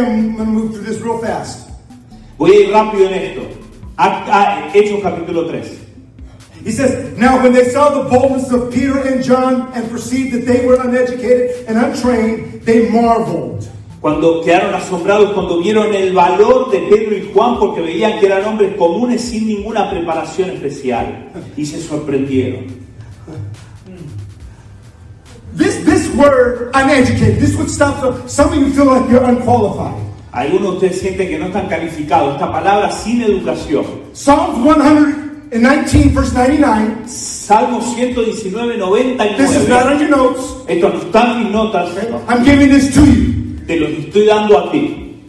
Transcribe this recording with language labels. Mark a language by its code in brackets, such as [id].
[en] I'm going to move through this real fast. [es] Voy a ir rápido en esto. Hechos capítulo 3. [en] He says, now when they saw the boldness of Peter and John and perceived that they were uneducated and untrained, they marveled. [es] Cuando quedaron asombrados, cuando vieron el valor de Pedro y Juan, porque veían que eran hombres comunes sin ninguna preparación especial, y se sorprendieron. [en] This word, uneducated, this would stop some of you feel like you're unqualified. [es] Algunos de ustedes sienten que no están calificados. Esta palabra sin educación. [en] Psalms 119, verse 99. [es] Salmo 119, 99. [en] This is not on your notes. [es] Esto no está en mis notas. [en] I'm giving this to you. [es] Te lo estoy dando a ti.